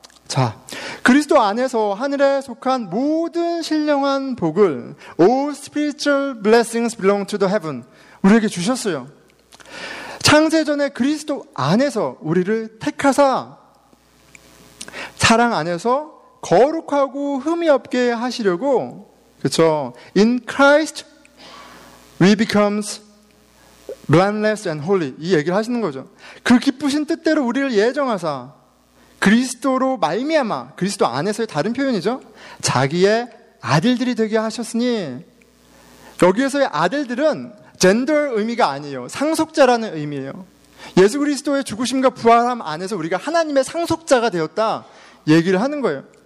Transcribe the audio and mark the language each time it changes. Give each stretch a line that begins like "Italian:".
Korean: 자, 그리스도 안에서 하늘에 속한 모든 신령한 복을
English: All spiritual blessings belong to the heaven
Korean: 우리에게 주셨어요. 창세전에 그리스도 안에서 우리를 택하사 사랑 안에서 거룩하고 흠이 없게 하시려고, 그렇죠?
English: In Christ we become blameless and holy.
Korean: 이 얘기를 하시는 거죠. 그 기쁘신 뜻대로 우리를 예정하사 그리스도로 말미암아, 그리스도 안에서의 다른 표현이죠. 자기의 아들들이 되게 하셨으니, 여기에서의 아들들은 젠더 의미가 아니에요. 상속자라는 의미예요. 예수 그리스도의 죽으심과 부활함 안에서 우리가 하나님의 상속자가 되었다 얘기를 하는 거예요.